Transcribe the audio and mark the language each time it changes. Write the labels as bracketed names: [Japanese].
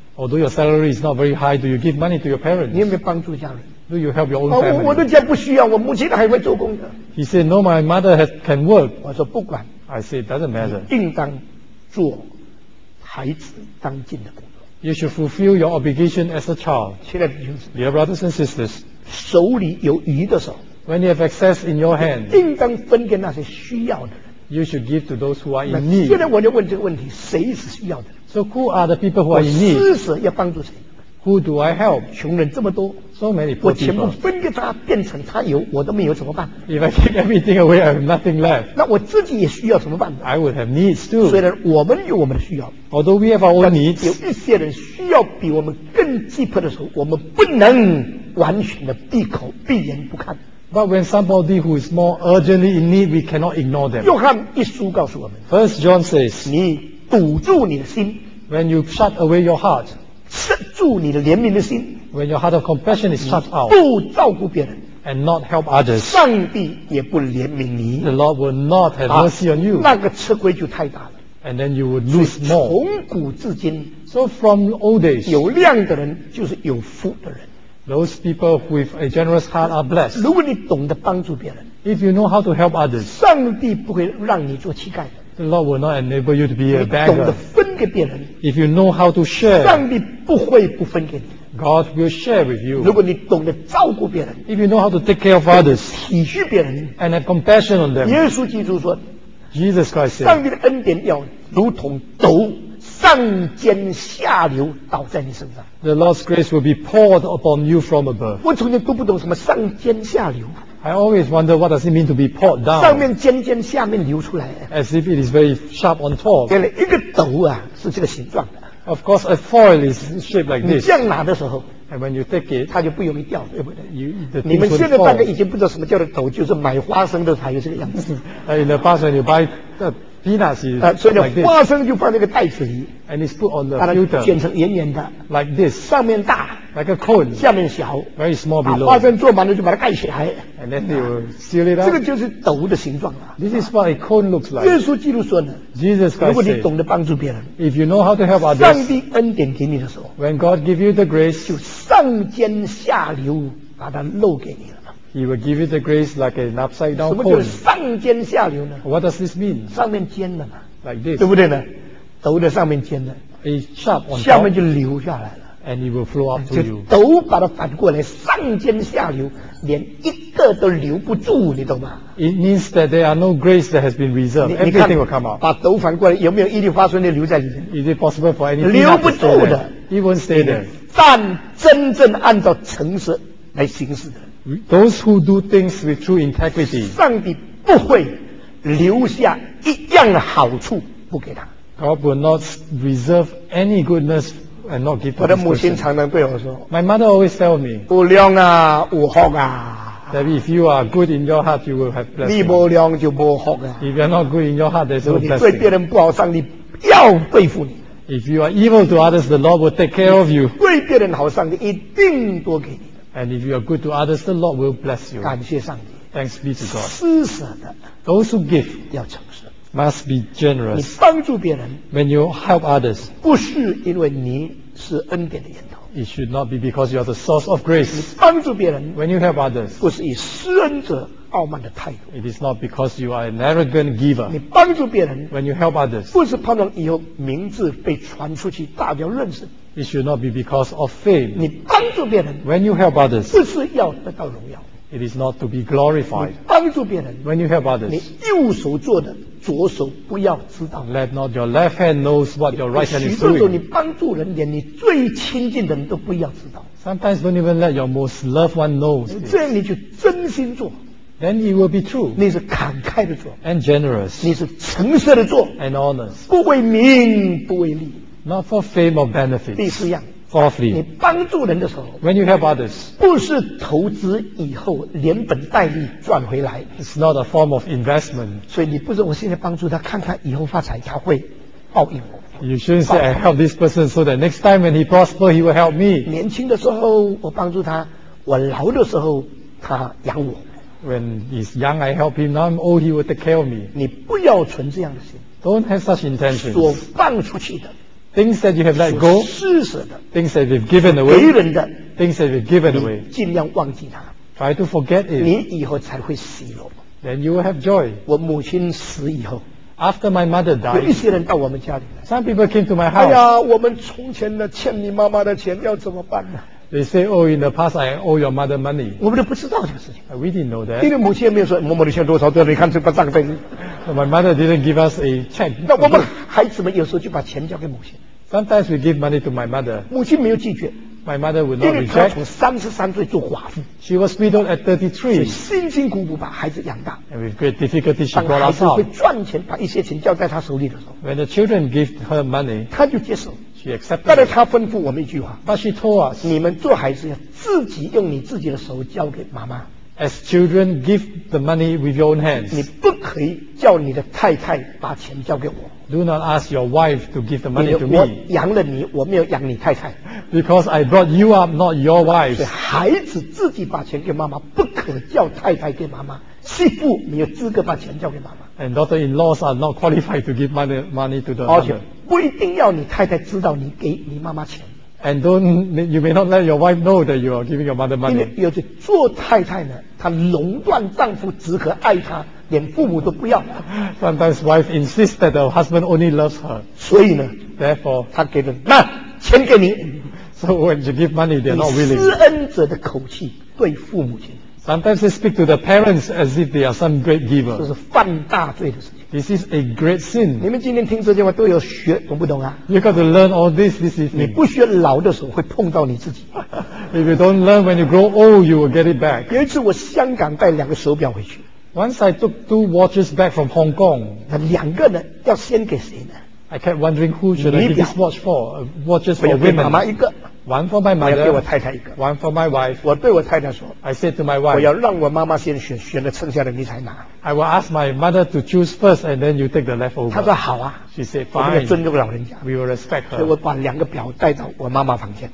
[English] Although your salary is not very high, do you give money to your parents? [Chinese] 你有没有帮助家人？ [English] Do you help your own family? [Chinese] 我的家不需要，我母亲还会做工的。 [English] He said, "No, my mother has, can work." [Chinese] 我说不管。 [English] I said, "Doesn't matter." [Chinese] 应当做孩子当尽的工作。 [English] You should fulfill your obligation as a child. [Chinese] 亲爱的弟兄姊妹 [English] Dear brothers and sisters, [Chinese] 手里有余的时候 [English] ，When you have excess in your hand, [Chinese] 应当分给那些需要的人。 [English] You should give to those who are in need. [Chinese] 现在我就问这个问题：谁是需要的人 [English] ？So who are the people who are in need? [Chinese] 我施舍要帮助谁？ [English] Who do I help? [Chinese] 穷人这么多 [English] ，so many poor people. [Chinese] 我全部分给他，变成他有，我都没有怎么办 [English] ？If I take everything away, I have nothing left. [Chinese] 那我自己也需要怎么办 [English] ？I would have needs too. [Chinese] 虽然我们有我们的需要 [English] ，although we have our own needs. [Chinese] 有一些人需要比我们更急迫的时候，我们不能完全的闭口闭眼不看。 [English] But when somebody who is more urgently in need, we cannot ignore them. [Chinese] 约翰一书告诉我们 [English] ，First John says, [Chinese] 你堵住你的心 [English] ，when you shut away your heart. [Chinese] 塞住你的怜悯的心 [English] ，When your heart of compassion is shut out， [Chinese] 不照顾别人 [English] ，and not help others， [Chinese] 上帝也不怜悯你 [English] ，the Lord will not have mercy on you， [Chinese] 那个吃亏就太大了 [English] ，and then you would lose more。 [Chinese] 从古至今 [English] ，so from old days， [Chinese] 有量的人就是有福的人 [English] ，those people with a generous heart are blessed。 [Chinese] 如果你懂得帮助别人 [English] ，if you know how to help others， [Chinese] 上帝不会让你做乞丐的 [English] ，the Lord will not enable you to be a beggar。 [Chinese] 给别人 [English] ，If you know how to share， [Chinese] 上帝不会不分给你。 [English] God will share with you。 [Chinese] 如果你懂得照顾别人 [English] ，If you know how to take care of others， [Chinese] 体恤别人 [English] ，and have compassion on them。 [Chinese] 耶稣基督说 [English] ，Jesus Christ said， [Chinese] 上帝的恩典要如同斗上尖下流倒在你身上。 [English] The Lord's grace will be poured upon you from above。 [Chinese] 我从前都不懂什么上尖下流。 [English] I always wonder what does it mean to be poured down. [Chinese] 上面尖尖，下面流出来。 [English] As if it is very sharp on top. [Chinese] 原来一个斗啊，是这个形状的。 [English] Of course, a foil is shaped like this. [Chinese] 你这样拿的时候 [English] ，and when you take it, [Chinese] 它就不容易掉，对不对 [English] ？You the things [Chinese] 你们现在大概已经不知道什么叫做斗，就是买花生的才有这个样子。 [English] In the past, when you buy the peanuts, it's like this. [Chinese] 所以花生就放在那个袋子里 [English] ，and it's put on the filter. [Chinese] 卷成圆圆的 [English] ，like this. [Chinese] 上面大。 [English] Like a cone, [Chinese] 下面小 [English] very small below. [Chinese] 把花生做满了就把它盖起来 [English] and then they will seal it up. [Chinese] 这个就是斗的形状了 [English] This is what a cone looks like. [Chinese] 耶稣基督说呢 [English] Jesus Christ [Chinese] 如果你懂得帮助别人 [English] If you know how to help others [Chinese] 上帝恩典给你的时候 [English] When God give you the grace [Chinese] 就上尖下流把它漏给你了 [English] He will give you the grace like an upside down cone. [Chinese] 什么叫上尖下流呢 [English] What does this mean? [Chinese] 上面尖的嘛 [English] Like this. [Chinese] 对不对呢斗的上面尖的 [English] It's sharp on top. [Chinese] 下面就流下来了 [English] And it will flow up to you. [Chinese] 就斗把它反过来，上尖下流，连一个都留不住，你懂吗 [English] ？It means that there are no grace that has been reserved. Everything will come out. [Chinese] 把斗反过来，有没有一粒花生的留在里面 [English] ？Is it possible for anything? [Chinese] 留不住的 [English] ，It won't stay there. [Chinese] 但真正按照诚实来行事的 [English] ，Those who do things with true integrity， [Chinese] 上帝不会留下一样的好处不给他。 [English] God will not reserve any goodness. And not give [Chinese] 我的母亲常常对我说 [English] ，My mother always tell me， [Chinese] 无量啊，无福啊。 [English] That if you are good in your heart, you will have blessing。 [Chinese] 你无量就无福啊。 [English] If you're not good in your heart, there's no blessing。 [Chinese] 你对别人不好，上帝要对付你。 [English] If you are evil to others, the Lord will take care of you。 [Chinese] 对别人好，上帝一定多给你。 [English] And if you are good to others, the Lord will bless you。 [Chinese] 感谢上帝。 [English] Thanks be to God。 [Chinese] 施舍的 [English] ，those who give [Chinese] 要诚实。 [English] Must be generous. [Chinese] 你帮助别人 [English] ，when you help others， [Chinese] 不是因为你是恩典的源头。 [English] It should not be because you are the source of grace. [Chinese] 你帮助别人 [English] ，when you help others， [Chinese] 不是以施恩者傲慢的态度。 [English] It is not because you are an arrogant giver. [Chinese] 你帮助别人 [English] ，when you help others， [Chinese] 不是盼望以后名字被传出去，大家认识。 [English] It should not be because of fame. [Chinese] 你帮助别人 [English] ，when you help others， [Chinese] 不是要得到荣耀。 [English] It is not to be glorified. [Chinese] 你帮助别人 [English] ，when you help others， [Chinese] 你右手做的。左手不要知道。 [English] Let not your left hand knows what your right hand is doing。 [Chinese] 许多时候你帮助人，连你最亲近的人都不要知道。 [English] Sometimes don't even let your most loved one know。 [Chinese] 这样你就真心做。 [English] Then it will be true。 [Chinese] 你是慷慨的做。 [English] And generous。 [Chinese] 你是诚实的做。 [English] And honest。 [Chinese] 不为名，不为利。 [English] Not for fame or benefit。 [Chinese] 第四样。 [English] Fourthly。 [Chinese] 你帮助人的时候。 [English] When you help others。 [Chinese] 不是投资以后连本带利赚回来。 [English] It's not a form of investment。 [Chinese] 所以你不是我现在帮助他，看看以后发财他会报应我。 [English] You shouldn't say I help this person so that next time when he prosper he will help me。 [Chinese] 年轻的时候我帮助他，我老的时候他养我。 [English] when he's young, I help him. Now I'm old, he will take care of me. [Chinese] 你不要存这样的心。 [English] Don't have such intentions. [Chinese] 所放出去的。 [English] Things that you have let go. [Chinese] 施舍的。 [English] Things that you've given away. [Chinese] 给人的。 [English] Things that you've given away. [Chinese] 你尽量忘记它。 [English] Try to forget it. [Chinese] 你以后才会喜乐。 [English] Then you will have joy. [Chinese] 我母亲死以后。 [English] After my mother died. [Chinese] 有一些人到我们家里来。 [English] Some people came to my house. [Chinese] 哎呀，我们从前的欠你妈妈的钱要怎么办呢？ [English] They say, oh, in the past, I owe your mother money. [Chinese] 我们都不知道这个事情。 [English] We didn't know that. [Chinese] 因为母亲也没有说，我母亲多少多少，你看这个账本。 [English] My mother didn't give us a check. [Chinese] 那我们孩子们有时候就把钱交给母亲。 [English] Sometimes we give money to my mother. [Chinese] 母亲没有拒绝。 [English] My mother would not reject. [Chinese] 因为她从33岁做寡妇。 [English] She was widowed at 33. [Chinese] 辛辛苦苦把孩子养大。 [English] And with great difficulty, she brought us up. [Chinese] 当孩子会赚钱，把一些钱交在她手里的时候。 [English] When the children give her money, [Chinese] 她就接受。但是他吩咐我们一句话 [English] But she told us, [Chinese] 你们做孩子要自己用你自己的手交给妈妈 [English] As children give the money with your own hands [Chinese] 你不可以叫你的太太把钱交给我 [English] Do not ask your wife to give the money to me [Chinese] 我养了你我没有养你太太 [English] Because I brought you up not your wife [Chinese] 所以孩子自己把钱给妈妈不可叫太太给妈妈媳妇没有资格把钱交给妈妈 [English] And daughter-in-laws are not qualified to give money to the mother [Chinese] 不一定要你太太知道你给你妈妈钱。 [English] And don't you may not let your wife know that you are giving your mother money. [Chinese] 因为有些做太太呢，她垄断丈夫，只可爱她，连父母都不要。 [English] Sometimes wife insists that the husband only loves her. [Chinese] 所以呢 [English] ，therefore， [Chinese] 她给的那钱给你。 [English] So when you give money, they're not willing. [Chinese] 施恩者的口气对父母亲。 [English] Sometimes they speak to the parents as if they are some great giver. [Chinese] 这是犯大罪的事情。 [English] This is a great sin. [Chinese] 你们今天听这句话都有学，懂不懂啊 [English] ？You got to learn all this evening. [Chinese] 你不学老的时候会碰到你自己。 [English] If you don't learn when you grow old, you will get it back. [Chinese] 有一次我香港带两个手表回去。 [English] Once I took two watches back from Hong Kong. [Chinese] 那两个呢？要先给谁呢 [English] ？I kept wondering who should I give this watch for. Watches for women. [Chinese] 我要给妈妈一个。 [English] One for my mother. [Chinese] 我要给我太太一个。 [English] One for my wife. [Chinese] 我对我太太说。 [English] I said to my wife. [Chinese] 我要让我妈妈先选，选了剩下的你才拿。 [English] I will ask my mother to choose first, and then you take the leftover. [Chinese] 她说好啊。 [English] She said fine. [Chinese] 我们要尊重老人家。 [English] We will respect her. [Chinese] 所以我把两个表带到我妈妈房间。